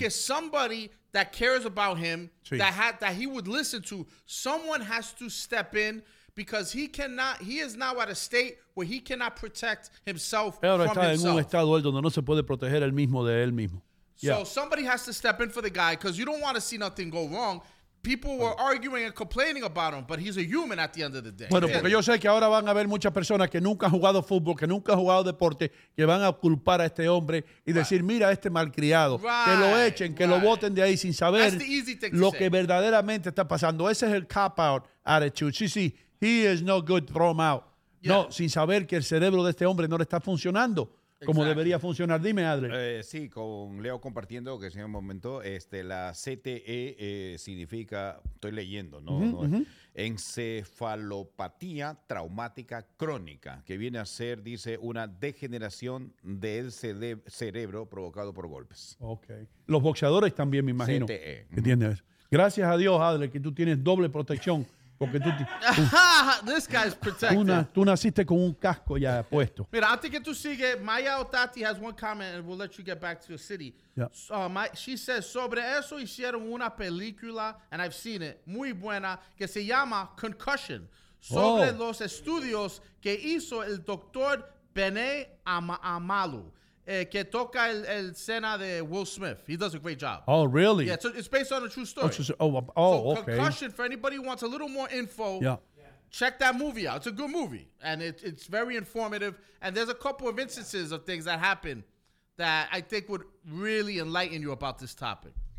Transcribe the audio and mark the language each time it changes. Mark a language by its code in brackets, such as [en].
[en] Porque somebody that cares about him, sí, that he would listen to, someone has to step in because he is now at a state where he cannot protect himself [es] él [en] from himself. [es] Él está en un estado él donde no se puede proteger él mismo de él mismo. [en] Yeah. So somebody has to step in for the guy because you don't want to see nothing go wrong. People were arguing and complaining about him, but he's a human at the end of the day. [es] Bueno, porque yo sé que ahora van a haber muchas personas que nunca han jugado fútbol, que nunca han jugado deporte, que van a culpar a este hombre y [en] right, [es] decir, mira, este malcriado, [en] right, [es] que lo echen, que [en] right, [es] lo boten de ahí sin saber lo que [en] say [es] verdaderamente está pasando. Ese es el [en] cop-out attitude. [es] Sí, sí, [en] he is no good, throw him out. Yeah. [es] No, sin saber que el cerebro de este hombre no le está funcionando como exacto debería funcionar. Dime, Adler. Sí, con Leo compartiendo, que en un momento, la CTE significa, estoy leyendo, ¿no? Uh-huh, ¿no? Uh-huh. Encefalopatía traumática crónica, que viene a ser, dice, una degeneración del cerebro provocado por golpes. Ok. Los boxeadores también, me imagino. [en] CTE. [es] ¿Entiendes? Uh-huh. Gracias a Dios, Adler, que tú tienes doble protección. Porque tú, [en] this guy's protected. [es] Tú naciste con un casco ya puesto. Mira, antes que tú sigues, [en] Maya Otati has one comment and we'll let you get back to your city. Yeah. So, she says, [es] sobre eso hicieron una película, [en] and I've seen it, [es] muy buena, que se llama Concussion. Sobre los estudios que hizo el doctor Bene Amalu, que toca el escena de Will Smith. [en] He does a great job. Oh, really? Yeah, so it's based on a true story. Okay. Concussion, for anybody who wants a little more info, yeah, check that movie out. It's a good movie, and it's very informative. And there's a couple of instances of things that happen that I think would really enlighten you about this topic.